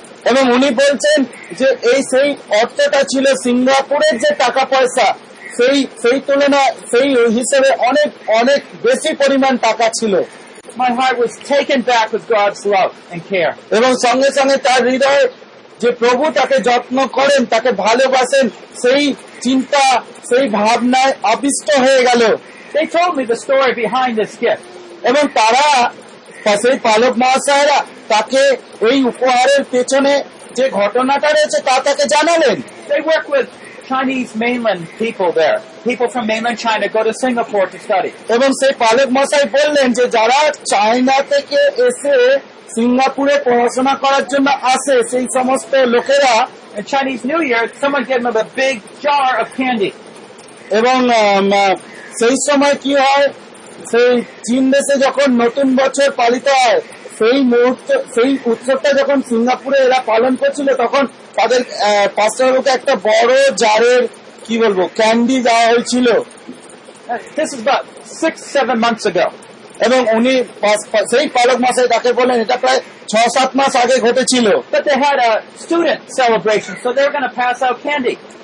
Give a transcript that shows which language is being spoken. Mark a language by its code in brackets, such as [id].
[bn] এবং উনি বলছেন যে এই সেই অর্থটা ছিল সিঙ্গাপুরের যে টাকা পয়সা সেই সেই তুলনা সেই হিসেবে অনেক অনেক বেশি পরিমাণ টাকা ছিল. [en] My heart was taken back with God's love and care. [bn] এবং সঙ্গে সঙ্গে তার হৃদয়ে যে প্রভু তাকে যত্ন করেন তাকে ভালোবাসেন সেই চিন্তা সেই ভাবনায় আবিষ্ট হয়ে গেল. [en] They told me the story behind this gift. [bn] এবং তারা সেই পালক মহাশয়েরা তাকে এই উপহারের পেছনে যে ঘটনাটা রয়েছে তা তাকে জানালেন. [en] They work with Chinese mainland people there. People from mainland China go to Singapore to study. [bn] এবং সেই পালক মশাই বললেন যে যারা চায়না থেকে এসে সিঙ্গাপুরে পড়াশোনা করার জন্য আসে সেই সমস্ত লোকেরা [en] Chinese New Year, someone gave them a big jar of candy. [bn] এবং সেই সময় কি হয় সেই চীন দেশে যখন নতুন বছর পালিত হয় সেই মুহূর্তে সেই উৎসবটা যখন সিঙ্গাপুরে এরা পালন করছিল তখন তাদের পাঁচটা লোকে একটা বড় জারের কি বলবো ক্যান্ডি দেওয়া হয়েছিল. [en] This is about 6-7 months ago. [bn] এবং উনি সেই পালক মাসায় তাকে বললেন এটা প্রায় 6-7 মাস আগে ঘটেছিল। [en] But they had a student celebration, so they were going to pass out candy.